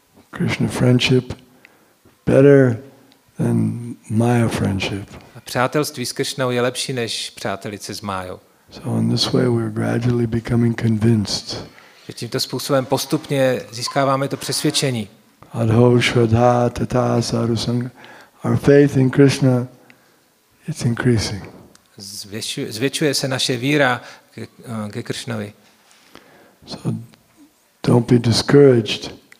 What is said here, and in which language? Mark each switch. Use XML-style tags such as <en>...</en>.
<en>Krishna friendship better than Maya friendship.</en> <cs>Přátelství s Krishnou je lepší než přátelice s Mayou.</cs> <en>So in this way we're gradually becoming convinced.</en> <cs>Že tímto způsobem postupně získáváme to přesvědčení.</cs> <sa>Adho shraddha tata saru sangha.</sa> <en>Our faith in Krishna it's increasing.</en> <cs>Zvětšuje se naše víra ke Krishnovi.</cs> <en>So don't be discouraged.</en>